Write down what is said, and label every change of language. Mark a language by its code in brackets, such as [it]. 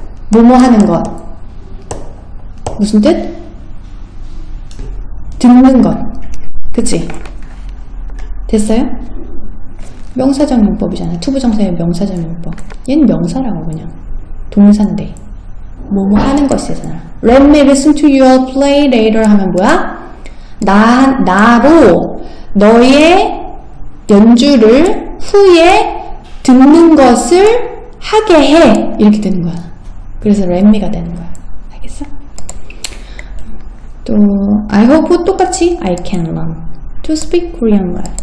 [ko] 뭐뭐 하는 것. 무슨 뜻? 듣는 것. 그치? 됐어요? 명사적 문법이잖아. To 부정사의 명사적 문법. 얘는 명사라고 그냥. 동사인데. 뭐뭐 하는 것이잖아. [en] Let me listen to your play later [ko] 하면 뭐야? 나로 너의 연주를 후에 듣는 것을 하게 해. 이렇게 되는 거야. 그래서 [en] let me [ko] 가 되는 거야. 알겠어? 또 [en] I hope [ko] 똑같이 [en] I can learn to speak Korean well.